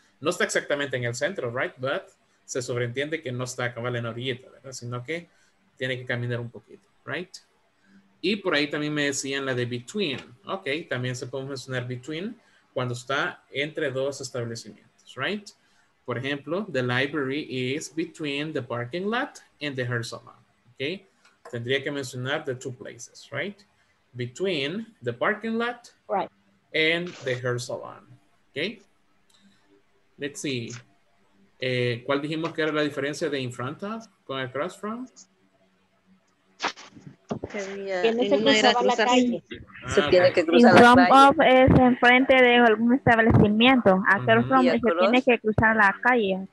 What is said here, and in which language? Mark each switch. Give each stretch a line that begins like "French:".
Spanish: No está exactamente en el centro, right? But se sobreentiende que no está cabal en orillita, ¿verdad? Sino que tiene que caminar un poquito, right? Y por ahí también me decían la de between. Ok, también se puede mencionar between cuando está entre dos establecimientos, right? Por ejemplo,
English: the library is between the parking lot and the hair salon. Ok,
Spanish: tendría que mencionar
English: the two places, right? Between the parking lot and the hair salon. Ok, let's see.
Spanish: ¿Cuál dijimos que era la diferencia de in front of con across from? Se tiene que cruzar la calle. In front of es enfrente de algún establecimiento. Across from se tiene que cruzar la calle.